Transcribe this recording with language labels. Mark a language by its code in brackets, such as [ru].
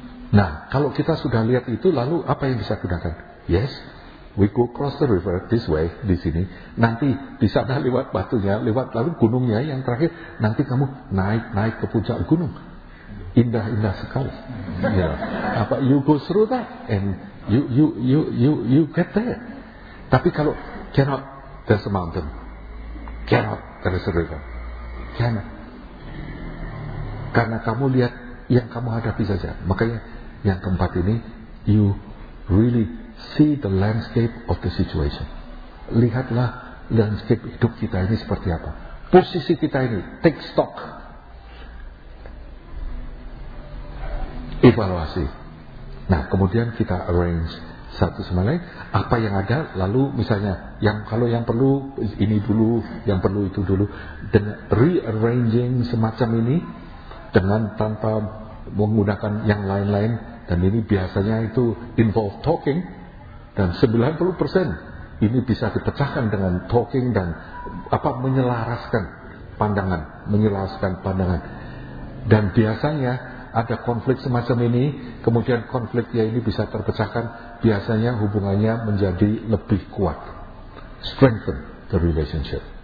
[id] Nah, kalau kita sudah lihat itu, lalu apa yang bisa gunakan? [en] Yes, we go cross the river this way, [id] di sini. Nanti di sana lewat batunya, lewat lalu gunungnya yang terakhir. Nanti kamu naik-naik ke puncak gunung. Indah-indah sekali. Ya. Apa, [en] you go through that and you get there. [id] Tapi kalau [en] cannot, there's a mountain. Cannot, there's a river. Cannot. [id] Karena kamu lihat yang kamu hadapi saja. Makanya yang keempat ini, [en] you really See the landscape of the situation. [id] Lihatlah landscape hidup kita ini seperti apa. Posisi kita ini, [en] take stock. [id] Evaluasi. Nah, kemudian kita arrange satu sama lain, apa yang ada, lalu misalnya, yang kalau yang perlu ini dulu, yang perlu itu dulu, dengan rearranging semacam ini, dengan tanpa menggunakan yang lain-lain, dan ini biasanya itu [en] involve talking, [id] dan 90% ini bisa dipecahkan dengan talking dan apa menyelaraskan pandangan. Dan biasanya ada konflik semacam ini, kemudian konfliknya ini bisa terpecahkan, biasanya hubungannya menjadi lebih kuat. [en] Strengthen the relationship.